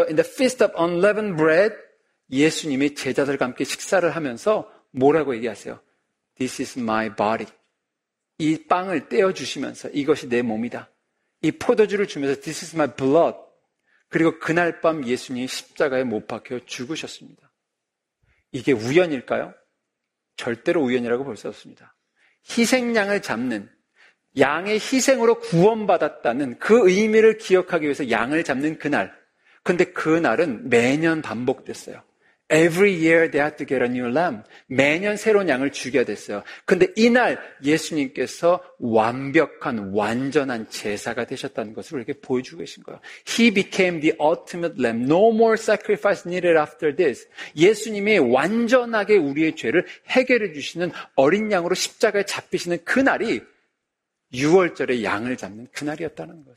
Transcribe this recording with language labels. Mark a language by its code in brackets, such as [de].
[en] In the Feast of Unleavened Bread, [ko] 예수님이 제자들과 함께 식사를 하면서 뭐라고 얘기하세요? [en] This is my body. [ko] 이 빵을 떼어주시면서 이것이 내 몸이다. 이 포도주를 주면서 [en] This is my blood. [ko] 그리고 그날 밤 예수님이 십자가에 못 박혀 죽으셨습니다. 이게 우연일까요? 절대로 우연이라고 볼 수 없습니다. 희생양을 잡는 양의 희생으로 구원받았다는 그 의미를 기억하기 위해서 양을 잡는 그날. 근데 그날은 매년 반복됐어요. [en] Every year they had to get a new lamb. [ko] 매년 새로운 양을 죽여야 됐어요. 근데 이날 예수님께서 완벽한 완전한 제사가 되셨다는 것을 이렇게 보여주고 계신 거예요. [en] He became the ultimate lamb. No more sacrifice needed after this. [ko] 예수님이 완전하게 우리의 죄를 해결해 주시는 어린 양으로 십자가에 잡히시는 그날이 유월절에 양을 잡는 그날이었다는 것.